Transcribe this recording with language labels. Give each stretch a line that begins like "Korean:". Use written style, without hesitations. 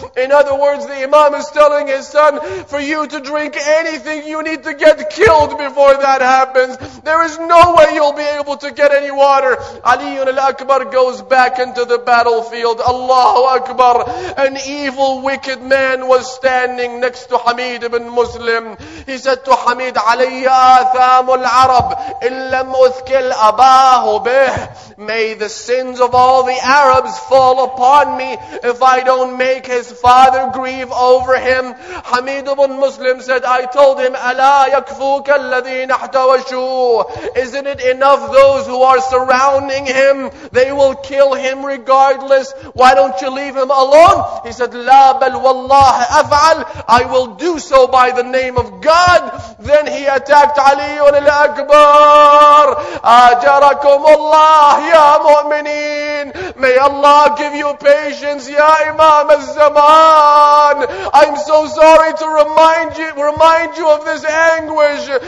English: In other words, the Imam is telling his son, for you to drink anything, you need to get killed before that happens. There is no way you'll be able to get any water. Ali ibn al-Akbar goes back into the battlefield. Allahu Akbar. An evil, wicked man was standing next to Hamid ibn Muslim. He said to Hamid,
Arabic: عليّ آثام العرب إن لم أثكل أباه به.
English: May the sins of all the Arabs fall upon me if I don't make his father grieve over him. Hamid ibn Muslim said, I told him,
Arabic: أَلَا يَكْفُوكَ الَّذِينَ احْتَوَشُوهُ.
English: Isn't it enough those who are surrounding him? They will kill him regardless. Why don't you leave him alone? He said,
Arabic: لَا بَلْ وَاللَّهِ أَفْعَلْ.
English: I will do so by the name of God. Then he attacked Ali ibn al-Akbar.
Arabic: أَجَرَكُمُ اللَّهِ
English: Ya Mu'mineen, may Allah give you patience, Ya Imam al-Zaman. I'm so sorry to remind you of this anguish.